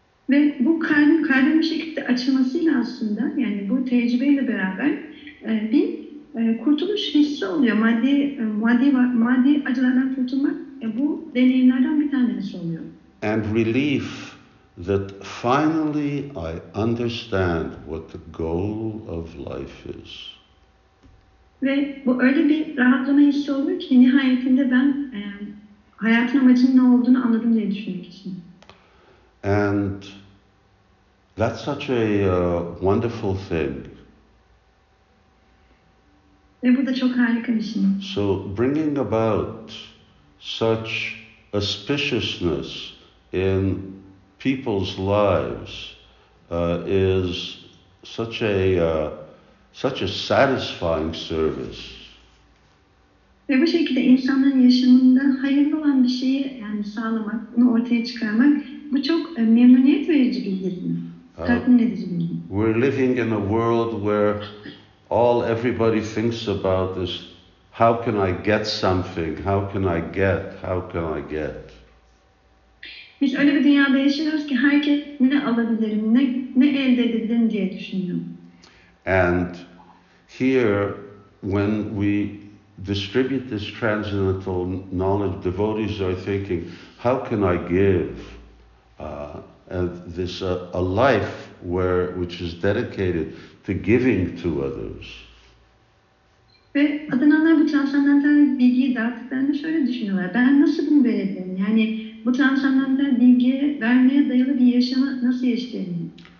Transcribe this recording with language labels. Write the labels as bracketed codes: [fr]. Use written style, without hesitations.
[tr] Ve bu kalbin bir şekilde açılmasıyla aslında, yani bu tecrübeyle beraber bir kurtuluş hissi oluyor. Maddi acılardan kurtulmak bu deneyimlerden bir tanesi oluyor. [en] And relief that finally I understand what the goal of life is. [tr] Ve bu öyle bir rahatlama hissi oluyor ki nihayetinde ben hayatın amacının ne olduğunu anladım diye düşünmek için. [en] And that's such a wonderful thing. [tr] Ve bu da çok harika bir şey. [en] So bringing about such auspiciousness in people's lives is such a satisfying service. [tr] Ve bu şekilde insanların yaşamında hayırlı olan bir şeyi yani sağlamak, bunu ortaya çıkarmak bu çok memnuniyet verici bir hizmet. Tatmin edici bir hizmet. [en] We're living in a world where everybody thinks about this. How can I get something? How can I get? How can I get? [tr] Biz öyle bir dünyada yaşıyoruz ki herkes ne alabilirim, ne elde edebilirim diye düşünüyor. [en] And here, when we distribute this transcendental knowledge, devotees are thinking, how can I give? A life which is dedicated to giving to others. [tr] Ve adananlar bu transcendental bilgiyi dağıttıklarında şöyle düşünüyorlar. Ben nasıl bunu verebilirim? Yani bu transcendental bilgi vermeye dayalı bir yaşamı nasıl yaşayabilirim?